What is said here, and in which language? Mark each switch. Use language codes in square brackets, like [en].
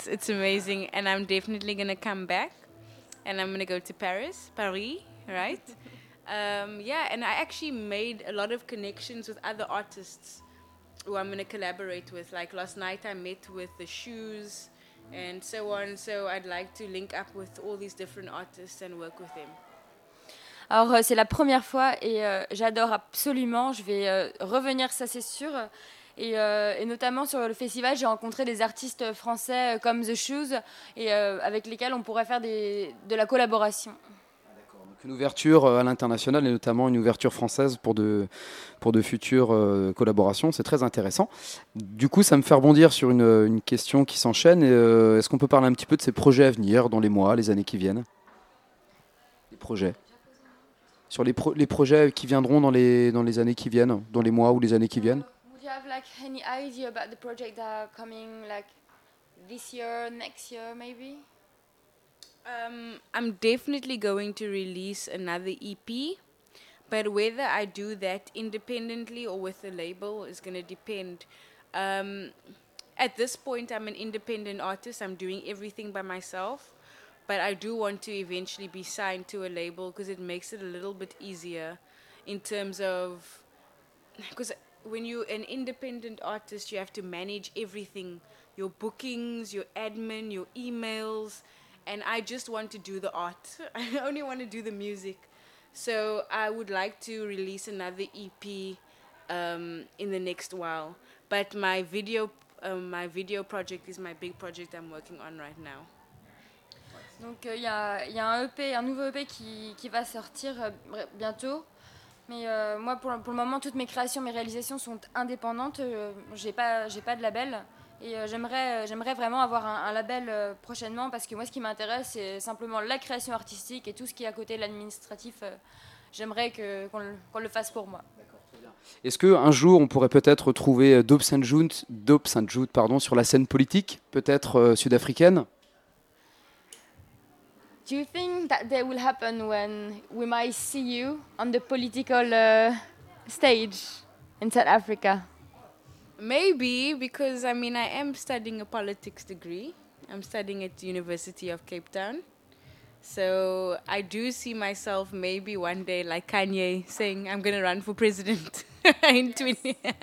[en] It's amazing and I'm definitely going to come back and I'm going to go to Paris, right? Yeah, and I actually made a lot of connections with other artists who I'm going to collaborate with. Like last night I met with The Shoes and so on. So I'd like to link up with all these different artists and work with them. [fr] Alors, c'est la première fois et j'adore absolument. Je vais revenir, ça c'est sûr. Et notamment sur le festival, j'ai rencontré des artistes français comme The Shoes, et avec lesquels on pourrait faire de la collaboration. Ah, d'accord. Donc Une ouverture à l'international et notamment une ouverture française pour de futures collaborations, c'est très intéressant. Du coup, ça me fait rebondir sur une question qui s'enchaîne. Est-ce qu'on peut parler un petit peu de ces projets à venir dans les mois, les années qui viennent ? Les projets. Sur les projets qui viendront dans les années qui viennent, dans les mois ou les années qui viennent ? [en] Would you have like any idea about the projects that are coming like this year, next year maybe? I'm definitely going to release another EP, but whether I do that independently or with a label is going to depend. At this point, I'm an independent artist. I'm doing everything by myself, but I do want to eventually be signed to a label because it makes it a little bit easier in terms of... Because when you're an independent artist, you have to manage everything, your bookings, your admin, your emails... And I just want to do the art. I only want to do the music. So I would like to release another EP in the next while. But my video project is my big project I'm working on right now. [fr] Donc il y a un EP, un nouveau EP qui va sortir bientôt. Mais moi pour le moment toutes mes créations, mes réalisations sont indépendantes. J'ai pas de label. Et j'aimerais vraiment avoir un label prochainement parce que moi, ce qui m'intéresse, c'est simplement la création artistique et tout ce qui est à côté de l'administratif. J'aimerais qu'on le fasse pour moi. Est-ce qu'un jour, on pourrait peut-être trouver Dope Saint Jude, sur la scène politique, peut-être sud-africaine ? [en] Do you think that that will happen when we might see you on the political stage in South Africa? Maybe, because I mean, I am studying a politics degree. I'm studying at the University of Cape Town. So I do see myself maybe one day like Kanye saying, I'm going to run for president in 20.